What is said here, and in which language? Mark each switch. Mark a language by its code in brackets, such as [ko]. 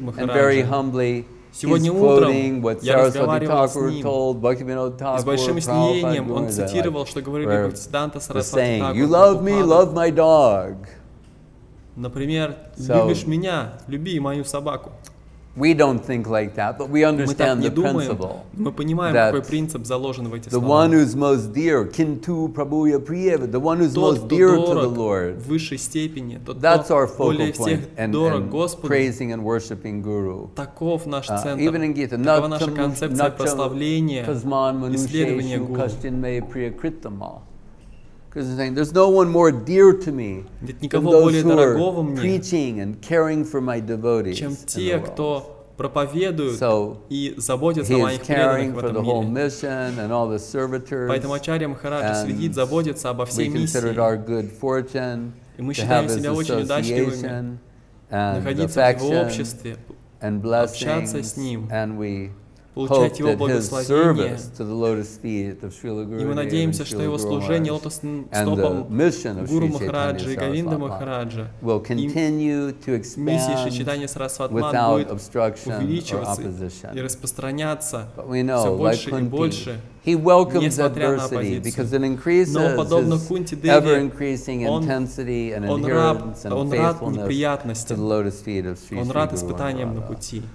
[ru] Махараджа. Сегодня утром я разговаривал с ним. С большим смирением он цитировал, что говорили Бхактисиддханта Сарасвати Тхакур. Например, «Любишь меня, люби мою собаку». [en] We don't think like that, but we understand the principle. [ru] Мы понимаем, какой принцип заложен в эти слова. [en] The one who's most dear, [sa] kintu prabhuya priyeva, [en] the one who's most dear to the Lord. [ru] В высшей степени, тот, [en] that's our focal point, and praising and worshiping Guru. [ru] Таков наш центр. [en] Even in Gita, [ru] такова наша концепция прославления, исследования Гуру. [sa] Kastinmaya priyakritama. [en] Because he's saying, there's no one more dear to me than those who are preaching and caring for my devotees in the world. So he is caring for the whole mission and all the servitors. [ru] Поэтому Ачарья Махарадж следит, заботится обо всей миссии. [en] We consider it our good fortune to have his association and affection and blessings, and we [ru] получать его благословение. [en] To the lotus feet of Srila Guru [ru] и мы надеемся, что его служение лотосным стопам Гуру Махараджа и Говинда Махараджа [en] will continue to expand [ru] миссии Шри Чайтанья Сарасвати Матх будет увеличиваться и распространяться все больше и больше. [en] He welcomes adversity because it increases his ever-increasing intensity and adherence and faithfulness to the lotus feet of Sri Guru Maharaj.